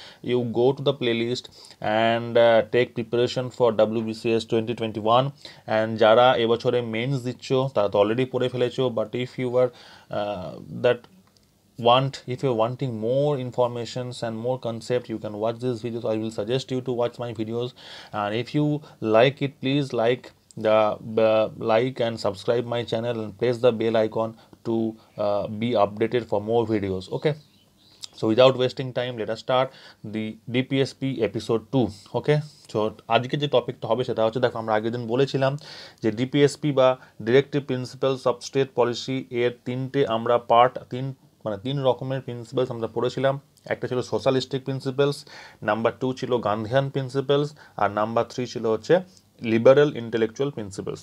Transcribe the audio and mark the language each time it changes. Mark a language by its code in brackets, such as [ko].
[en] You go to the playlist and take preparation for WBCS 2021। And [bn] যারা এবছরে men's দিচ্ছ, তারা তো অলরেডি পড়ে ফেলেছো, [en] But if you are that want if you're wanting more informations and more concept, you can watch this video. So I will suggest you to watch my videos, and if you like it, please like the like and subscribe my channel and press the bell icon to be updated for more videos. Okay, so without wasting time, let us start the DPSP episode 2. [bn] Okay, তো আজকে যে টপিকটা হবে সেটা হচ্ছে, দেখো আমরা আগের দিন বলেছিলাম যে ডিপিএসপি বা directive principles of state policy, এর তিনটে আমরা পার্ট, তিন রকমের প্রিন্সিপালস আমরা পড়েছিলাম। একটা ছিল সোশ্যালিস্টিক প্রিন্সিপালস, নাম্বার 2 ছিল গান্ধিয়ান প্রিন্সিপালস, আর নাম্বার 3 ছিল হচ্ছে লিবারেল ইন্টেলেকচুয়াল প্রিন্সিপালস।